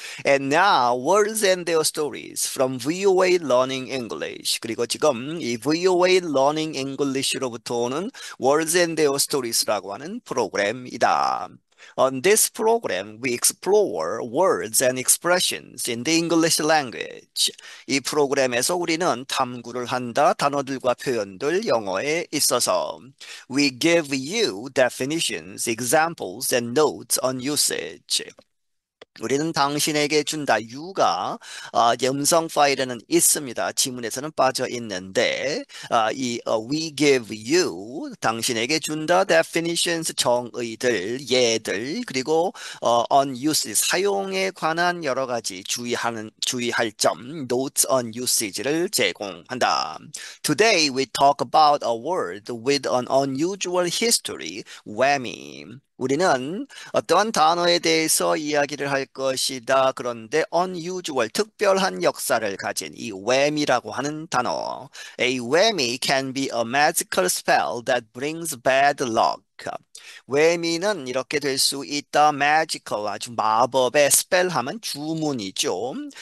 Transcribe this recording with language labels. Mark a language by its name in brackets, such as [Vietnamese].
[English] And now, words and their stories from VOA Learning English. [Korean] 그리고 지금 이 VOA Learning English로부터 오는 Words and Their Stories라고 하는 프로그램이다. [English] On this program, we explore words and expressions in the English language. [Korean] 이 프로그램에서 우리는 탐구를 한다. 단어들과 표현들 영어에 있어서. [English] We give you definitions, examples, and notes on usage. [Korean] 우리는 당신에게 준다. You가 음성 파일에는 있습니다. 지문에서는 빠져 있는데 [English] we give you [Korean] 당신에게 준다. Definitions 정의들 예들 그리고 on usage 사용에 관한 여러 가지 주의할 점 [English] notes on usage [Korean] 를 제공한다. [English] Today we talk about a word with an unusual history, whammy. [Korean] 우리는 어떠한 단어에 대해서 이야기를 할 것이다. 그런데 unusual, 특별한 역사를 가진 이 whammy라고 하는 단어. [English] A whammy can be a magical spell that brings bad luck. [Korean] Whammy는 이렇게 될수 있다. Magical, 아주 마법의 spell 하면 주문이죠.